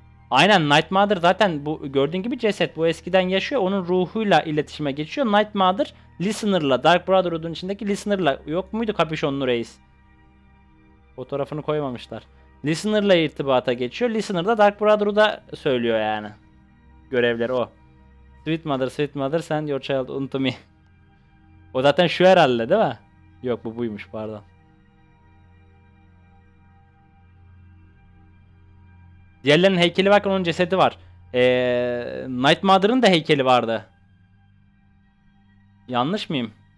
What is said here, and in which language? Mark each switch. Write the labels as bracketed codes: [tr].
[tr] Aynen Night Mother zaten bu gördüğün gibi ceset. Bu eskiden yaşıyor. Onun ruhuyla iletişime geçiyor. Night Mother Listener'la. Dark Brotherhood'un içindeki Listener'la. Yok muydu Kapüşonlu Reis? Fotoğrafını koymamışlar. Listener'la irtibata geçiyor. Listener da Dark Brotherhood'a söylüyor yani. Görevleri o. [en] Sweet Mother, Sweet Mother, send your child unto me. [tr] O zaten şu herhalde değil mi? Yok bu buymuş pardon. Diğerlerinin heykeli varken onun cesedi var. Night Mother'ın da heykeli vardı. Yanlış mıyım?